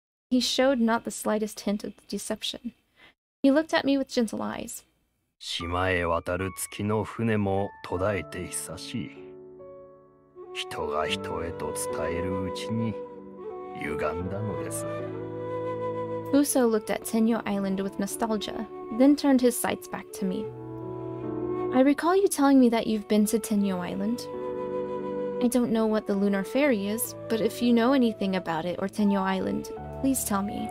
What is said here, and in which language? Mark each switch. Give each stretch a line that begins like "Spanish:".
English: He showed not the slightest hint of the deception. He looked at me with gentle eyes.
Japanese: 島へ渡る月の船も途絶えて久しい。
English: Uso looked at Tenyo Island with nostalgia, then turned his sights back to me. I recall you telling me that you've been to Tenyo Island. I don't know what the Lunar Fairy is, but if you know anything about it or Tenyo Island, please tell me.